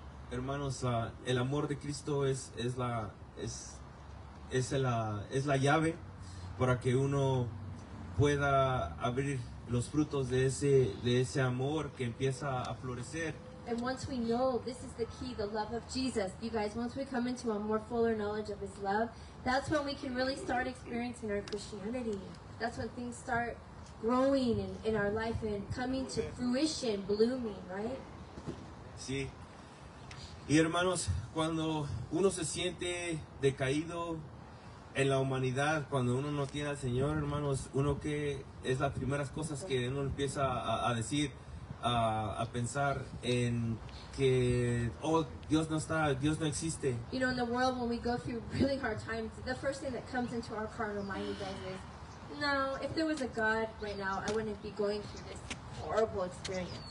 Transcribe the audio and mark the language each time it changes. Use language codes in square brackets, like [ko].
[es] Hermanos, el amor de Cristo es la llave para que uno pueda abrir los frutos de ese amor que empieza a florecer. [en] And once we know, this is the key, the love of Jesus. You guys, once we come into a more fuller knowledge of his love, that's when we can really start experiencing our Christianity. That's when things start growing in our life and coming to fruition, blooming, right? [es] Sí. Y hermanos, cuando uno se siente decaído en la humanidad, cuando uno no tiene al Señor, hermanos, uno que es las primeras cosas que uno empieza a decir, a pensar en que, oh, Dios no está, Dios no existe. [en] You know, in the world, when we go through really hard times, the first thing that comes into our carnal mind does is, no, if there was a God right now, I wouldn't be going through this horrible experience.